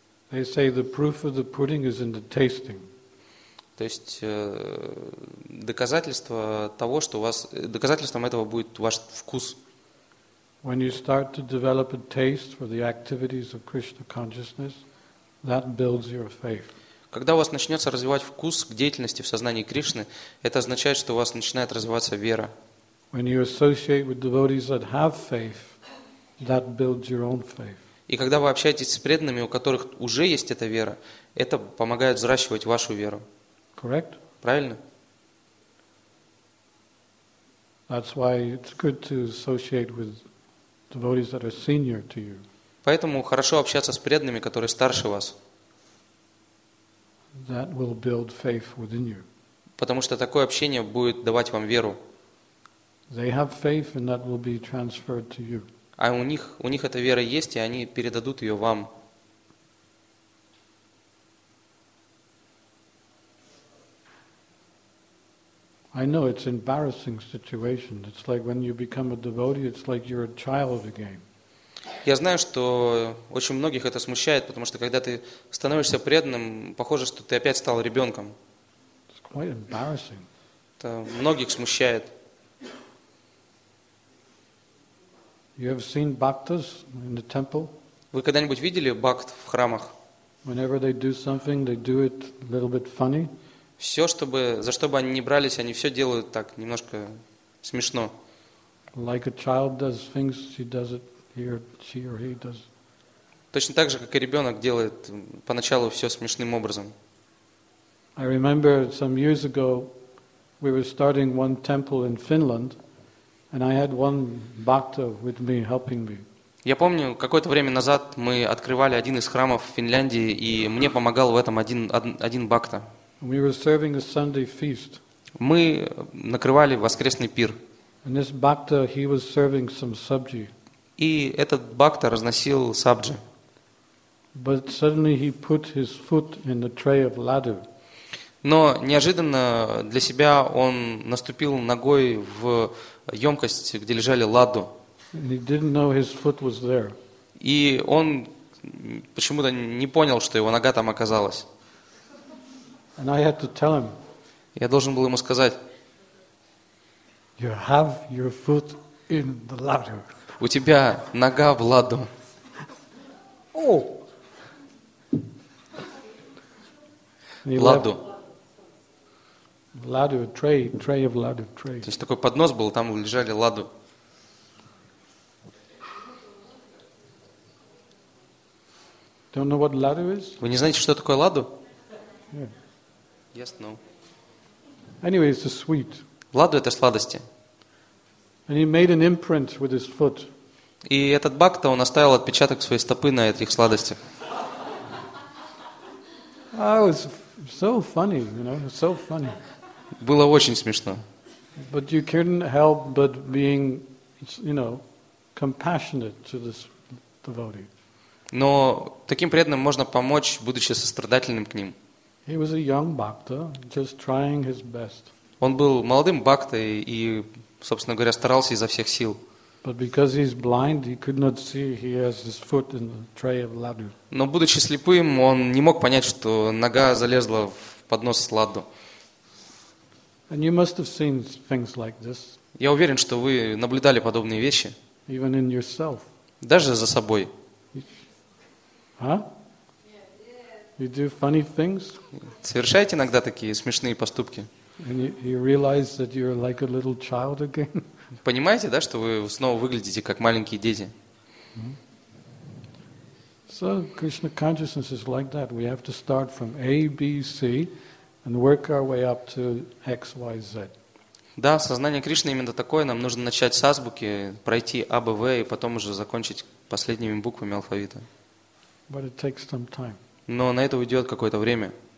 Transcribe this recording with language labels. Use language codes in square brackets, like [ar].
[en] They say the proof of the pudding is in the tasting. [ru] То есть доказательство того, что у вас доказательством этого будет ваш вкус. [en] When you start to develop a taste for the activities of Krishna consciousness, that builds your faith. [ru] Когда у вас начнется развивать вкус к деятельности в сознании Кришны, это означает, что у вас начинает развиваться вера. И когда вы общаетесь с преданными, у которых уже есть эта вера, это помогает взращивать вашу веру. [en] Correct? [ru] Правильно? [en] That's why it's good to associate with devotees that are senior to you. [ru] Поэтому хорошо общаться с преданными, которые старше вас. [en] That will build faith within you. [ru] Потому что такое общение будет давать вам веру. [en] They have faith, and that will be transferred to you. [ru] А у них эта вера есть, и они передадут ее вам. [en] I know it's an embarrassing situation. It's like when you become a devotee, it's like you're a child again. [ru] Я знаю, что очень многих это смущает, потому что когда ты становишься преданным, похоже, что ты опять стал ребенком. [en] It's quite embarrassing. [ru] Это многих смущает. [en] You have seen bhaktas in the temple? [ru] Вы когда-нибудь видели бхакт в храмах? [en] Whenever they do something, they do it a little bit funny. [ru] Все, чтобы, за что бы они ни брались, они все делают так, немножко смешно. [en] Like a child does things, she does it. He or she or he does. [ru] Точно так же, как и ребенок делает поначалу все смешным образом. [en] I remember some years ago we were starting one temple in Finland, and I had one bhakta with me helping me. [ru] Я помню, какое-то время назад мы открывали один из храмов в Финляндии, и мне помогал в этом один бхакта. [en] We were serving a Sunday feast. [ru] Мы накрывали воскресный пир. [en] And this bhakta, he was serving some sabji. [ru] И этот бхакта разносил сабджи. [en] But suddenly he put his foot in the tray of ladu. [ru] Но неожиданно для себя он наступил ногой в емкость, где лежали ладу. [en] And he didn't know his foot was there. [ru] И он почему-то не понял, что его нога там оказалась. [en] And I had to tell him. [ru] Я должен был ему сказать. [en] You have your foot in the ladu. [ru] У тебя нога в ладу. Ладу. [en] Ладу, tray of ладу, tray. [ru] То есть такой поднос был, там лежали ладу. [en] Don't know what ладу is? [ru] Вы не знаете, что такое ладу? [en] Yeah. Yes, no. Anyway, it's a sweet. [ru] Ладу это сладости. [en] And he made an imprint with his foot. [ru] И этот бхакта, он оставил отпечаток своей стопы на этих сладостях. [en] Oh, it's so funny, you know, so funny. [ru] Было очень смешно. [en] But you couldn't help but being, you know, compassionate to this devotee. [ru] Но таким преданным можно помочь, будучи сострадательным к ним. [en] He was a young bhakta, just trying his best. [ru] Он был молодым бхактой и, собственно говоря, старался изо всех сил. [en] But because he's blind, he could not see he has his foot in the tray of laddu. [ru] Но будучи слепым, он не мог понять, что нога залезла в поднос с ладду. [en] And you must have seen things like this. [ru] Я уверен, что вы наблюдали подобные вещи. [en] Even in yourself. [ru] Даже за собой. [en] Huh? You do funny things? [ru] Совершаете иногда такие смешные поступки? [en] And you realize that you're like a little child again. [ru] Понимаете, да, что вы снова выглядите как маленькие дети? [en] So Krishna consciousness is like that. We have to start from A, B, C, and work our way up to X, Y, Z. [ru] Да, сознание Кришны именно такое. Нам нужно начать с азбуки, пройти А, Б, В, и потом уже закончить последними буквами алфавита. [en] But it takes some time. [ru] Но на это уйдет какое-то время.